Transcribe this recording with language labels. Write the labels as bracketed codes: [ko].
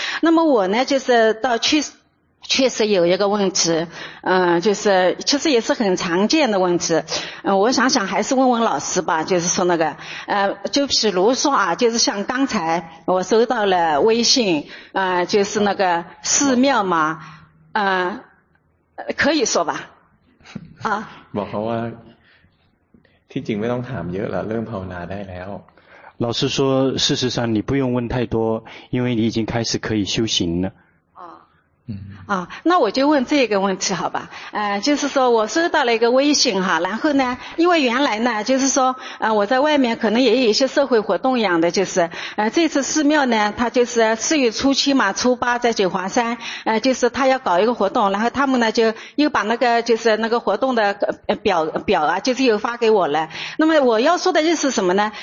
[zh] 那么我呢，就是到确实有一个问题，就是其实也是很常见的问题，我想想还是问问老师吧，就是说那个，就比如说啊，就是像刚才我收到了微信，就是那个寺庙嘛，可以说吧。啊，不好啊， [th] ที่จริงไม่ต้องถามเยอะละเริ่มภาวนาได้แล้ว [zh] 老师说事实上你不用问太多，因为你已经开始可以修行了。啊，那我就问这个问题好吧？就是说我收到了一个微信哈，然后呢，因为原来呢，就是说我在外面可能也有一些社会活动一样的，就是这次寺庙呢，他就是四月初七嘛，初八在九华山，就是他要搞一个活动，然后他们呢就又把那个就是那个活动的表啊，就是又发给我了。那么我要说的意思是什么呢？